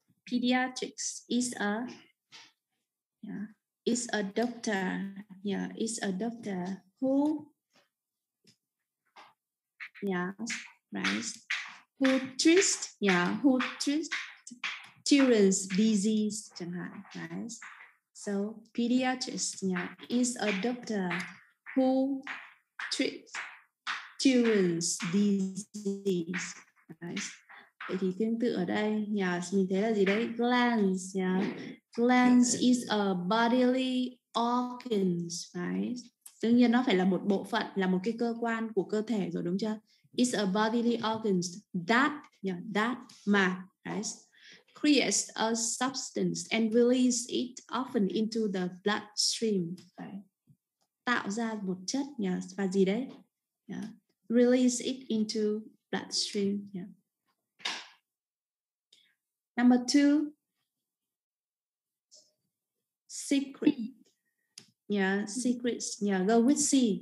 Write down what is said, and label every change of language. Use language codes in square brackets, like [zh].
[en] Pediatrics is a, yeah, is a doctor, yeah, is a doctor who, yeah, right, who treats, yeah, who treats children's disease, right, so pediatrist, yeah, is a doctor who treats children's disease, right. [vi] Vậy thì tương tự ở đây, yeah, mình thấy là gì đấy? Glands, yeah. [en] Glands is a bodily organs, right? [vi] Tự nhiên nó phải là một bộ phận, là một cái cơ quan của cơ thể rồi đúng chưa? [en] It's a bodily organs that, yeah, that mà, right? Creates a substance and release it often into the bloodstream, right? [vi] Tạo ra một chất, yeah, và gì đấy? [en] Yeah. Release it into bloodstream, yeah. Number two, secret. Yeah, secrets. Yeah, go with C.